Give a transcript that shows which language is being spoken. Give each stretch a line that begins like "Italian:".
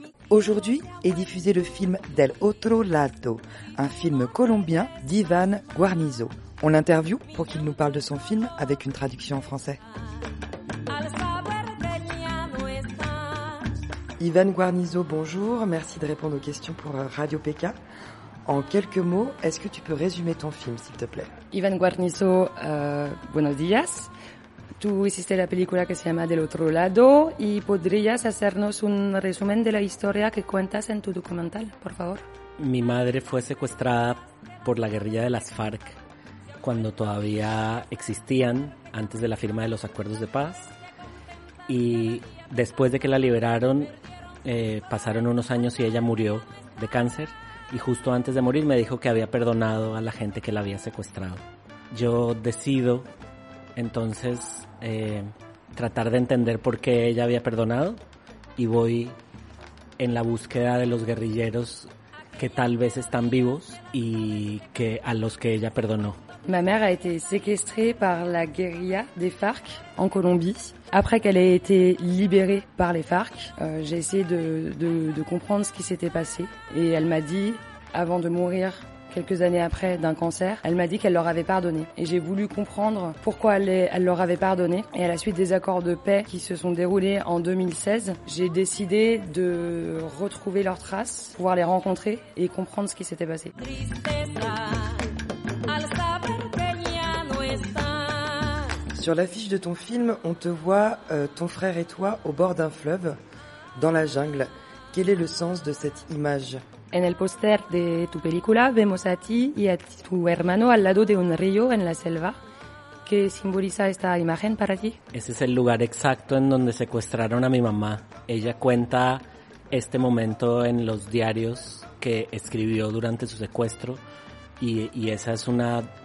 French: Aujourd'hui est diffusé le film Del Otro Lado, un film colombien d'Ivan Guarnizo. On l'interviewe pour qu'il nous parle de son film avec une traduction en français. Ivan Guarnizo, bonjour, merci de répondre aux questions pour Radio PK. En quelques mots, est-ce que tu peux résumer ton film, s'il te plaît?
Spanish: Ivan Guarnizo, buenos días. Tú hiciste la película que se llama Del Otro Lado y podrías hacernos un resumen de la historia que cuentas en tu documental, por favor. Mi madre fue secuestrada por la guerrilla de las FARC cuando todavía existían, antes de la firma de los acuerdos de paz. Y después de que la liberaron, pasaron unos años y ella murió de cáncer. Y justo antes de morir me dijo que había perdonado a la gente que la había secuestrado. Yo decido entonces tratar de entender por qué ella había perdonado y voy en la búsqueda de los guerrilleros que tal vez están vivos y que a los que ella perdonó.
French: Ma mère a été séquestrée par la guérilla des FARC en Colombie. Après qu'elle ait été libérée par les FARC, j'ai essayé de comprendre ce qui s'était passé. Et elle m'a dit, avant de mourir quelques années après d'un cancer, elle m'a dit qu'elle leur avait pardonné. Et j'ai voulu comprendre pourquoi elle leur avait pardonné. Et à la suite des accords de paix qui se sont déroulés en 2016, j'ai décidé de retrouver leurs traces, pouvoir les rencontrer et comprendre ce qui s'était passé. Sur l'affiche de ton film, on te voit, ton frère et toi, au bord d'un fleuve, dans la jungle. Quel est le sens de cette image?
Spanish: En el póster de tu película vemos a ti y a tu hermano al lado de un río en la selva. ¿Qué simboliza esta imagen para ti? Ese es el lugar exacto en donde secuestraron a mi mamá. Ella cuenta este momento en los diarios que escribió durante su secuestro y esa es una...